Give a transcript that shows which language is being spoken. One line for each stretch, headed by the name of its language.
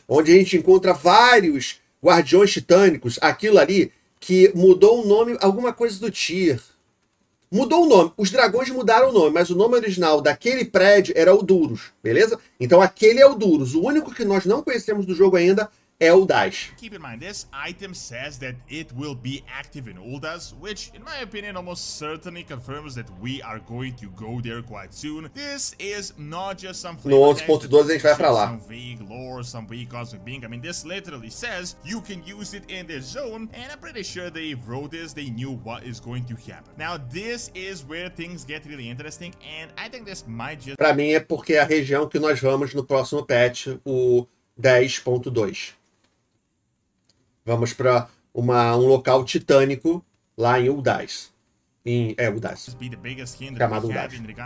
Portuguese: Onde a gente encontra vários guardiões titânicos, aquilo ali que mudou o nome, alguma coisa do Tyr. Mudou o nome, os dragões mudaram o nome, mas o nome original daquele prédio era Uldurus, beleza? Então aquele é Uldurus, o único que nós não conhecemos do jogo ainda é Uldas.
English: Keep in mind, this item says that it will be active in Uldas, which, in my opinion, almost certainly confirms that we are going to go there quite soon. This is not just some...
Portuguese: No 11.2 a gente vai pra lá.
English: Some vague lore, some vague cosmic being. I mean, this literally says you can use it in this zone, and I'm pretty sure they wrote this, they knew what is going to happen. Now, this is where things get really interesting, and I think this might just...
Portuguese: Pra mim é porque a região que nós vamos no próximo patch, o 10.2. Vamos para um local titânico lá em Uldas. Uldas. Chamado Uldas.